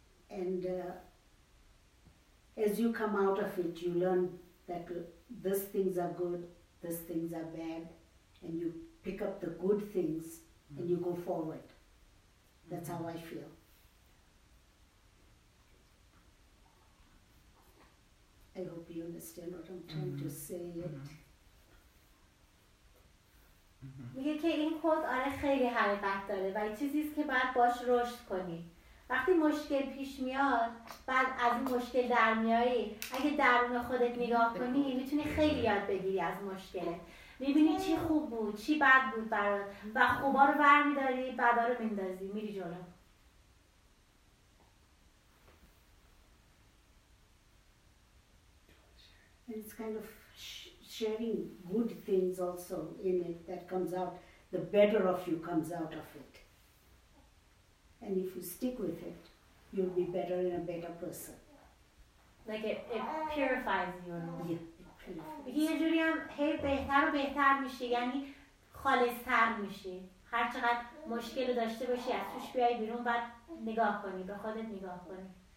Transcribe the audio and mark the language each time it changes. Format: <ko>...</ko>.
<en>And as you come out of it, you learn that these things are good, these things are bad, and you pick up the good things and you go forward. That's how I feel. I hope you understand what I'm trying to say.</en> <fa>میگه که این خود آره خیلی حقیقت داره، ولی چیزیست که باید باش رشد کنی. وقتی مشکل پیش میاد، بعد از این مشکل در میایی، اگه درون خودت نگاه کنی میتونی خیلی یاد بگیری از مشکل. میبینی چی خوب بود، چی بد بود برات، و خوبا رو برمیداری، بدا رو میندازی، میری جلو.</fa> <en>It's kind of sharing good things also in it that comes out. The better of you comes out of it. And if you stick with it, you'll be better and a better person. Like it purifies you. Yeah, it purifies.</en> <fa>یه جوری هم بهتر و بهتر میشه، یعنی خالص‌تر میشه. هر چقدر مشکل داشته باشی از توش بیای بیرون، بعد نگاه کنی، به خودت نگاه کنی.</fa>